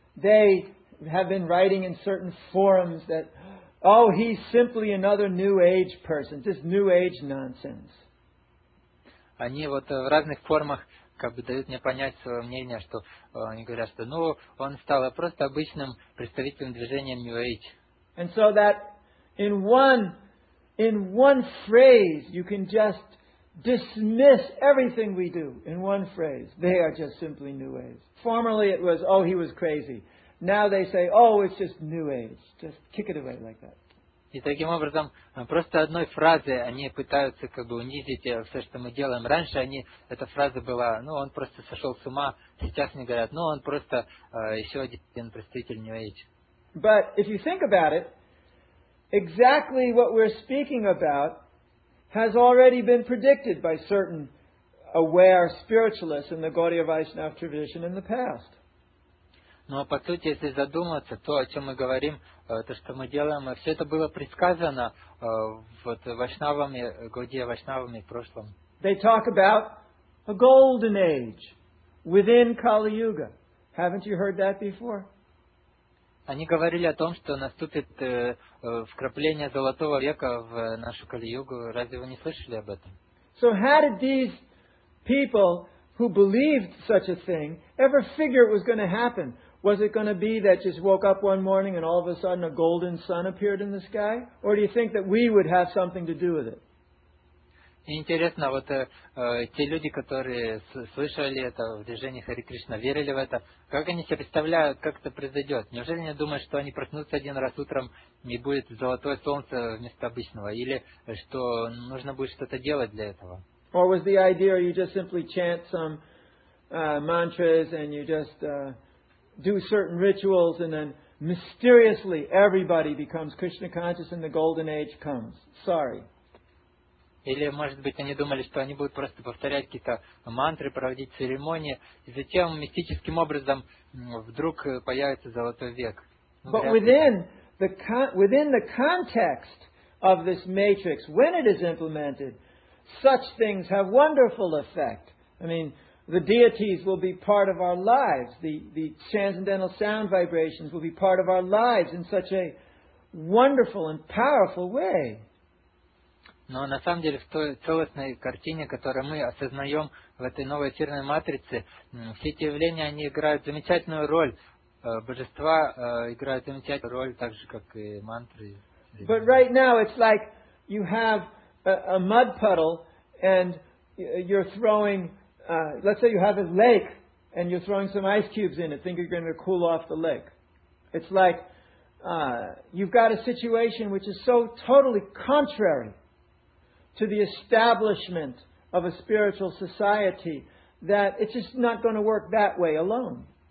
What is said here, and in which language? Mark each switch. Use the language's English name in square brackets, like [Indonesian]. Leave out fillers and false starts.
[English] They have been writing in certain forums that, oh, he's simply another New Age person, this New Age nonsense. [Russian] Они в разных формах как бы дают мне понять свое мнение, что они говорят, что он стал просто обычным представителем движения New Age. [English] And so that in one phrase you can just dismiss everything we do. In one phrase, they are just simply New Age. Formerly it was, oh, he was crazy. Now they say, oh, it's just New Age. Just kick it away like that. [Russian] И таким образом, просто одной фразой они пытаются как бы унизить все, что мы делаем. Раньше эта фраза была, он просто сошел с ума. Сейчас они говорят, он просто еще один представитель New Age. [English] But if you think about it, exactly what we're speaking about has already been predicted by certain aware spiritualists in the Gaudiya Vaishnava tradition in the past. [Russian] Но по сути, если задуматься, то, о чем мы говорим, то, что мы делаем, все это было предсказано вайшнавами, Гаудия вайшнавами в прошлом. [English] They talk about a golden age within Kali-Yuga. Haven't you heard that before? [Russian] Они говорили о том, что наступит вкрапление золотого века в нашу Кали-Югу. Разве вы не слышали об этом? [English] So how did these people who believed such a thing ever figure it was going to happen? Was it going to be that just woke up one morning and all of a sudden a golden sun appeared in the sky? Or do you think that we would have something to do with it? [Russian] Интересно, те люди, которые слышали это в движении Hare Krishna, верили в это, как они себе представляют, как это произойдет? Неужели они думают, что они проснутся один раз утром и будет золотое солнце вместо обычного? Или что нужно будет что-то делать для этого? [English] Or was the idea you just simply chant some mantras and you just do certain rituals and then mysteriously everybody becomes Krishna conscious and the golden age comes. Sorry. [Russian] Или, может быть, они думали, что они будут просто повторять какие-то мантры, проводить церемонии, и затем мистическим образом вдруг появится золотой век. [English] But within the context of this matrix, when it is implemented, such things have wonderful effect. I mean, the deities will be part of our lives. The transcendental sound vibrations will be part of our lives in such a wonderful and powerful way. [Russian] Но на самом деле в той целостной картине, которую мы осознаем в этой новой эфирной матрице, все эти явления, они играют замечательную роль. Божества играют замечательную роль, так же, как и мантры. [English] But right now it's like you have a mud puddle and you're throwing, let's say you have a lake and you're throwing some ice cubes in it, think you're going to cool off the lake. It's like you've got a situation which is so totally contrary to the establishment of a spiritual society that it's just not going to work that way alone.